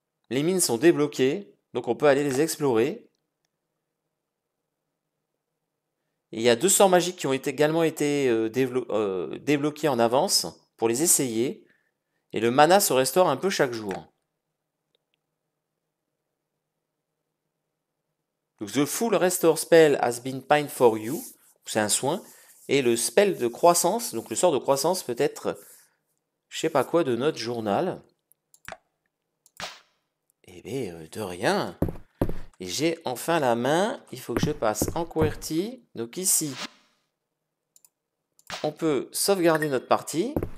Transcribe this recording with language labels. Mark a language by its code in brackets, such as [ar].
[fr] Les mines sont débloquées, donc on peut aller les explorer. Il y a 200 magies qui ont également été débloquées en avance pour les essayer. Et le mana se restaure un peu chaque jour. Donc, [en] the full restore spell has been pined for you. [fr] C'est un soin. Et le spell de croissance, donc le sort de croissance peut être je sais pas quoi de notre journal. Eh bien, de rien. Et j'ai enfin la main. Il faut que je passe en QWERTY. Donc ici, on peut sauvegarder notre partie.